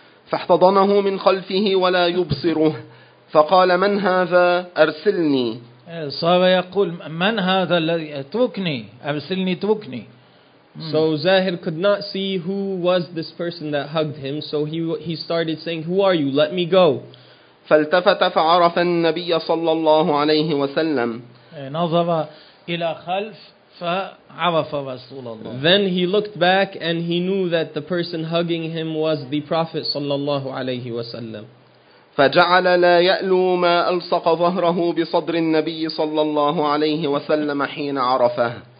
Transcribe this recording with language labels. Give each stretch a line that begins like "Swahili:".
Arabic: فاحتضنه من خلفه ولا يبصره, فقال من هذا أرسلني. صار يقول من هذا الذي اتركني, أرسلني اتركني.
English: So Zahir could not see who was this person that hugged him, so he started saying, who are you, let me go.
Arabic: فالتفت فعرف النبي صلى الله عليه وسلم. نظر إلى خلف فعرف رسول الله.
English: Then he looked back and he knew that the person hugging him was the Prophet صلى الله عليه وسلم.
Arabic: فجعل لا يألو ما ألصق ظهره بصدر النبي صلى الله عليه وسلم حين عرفه.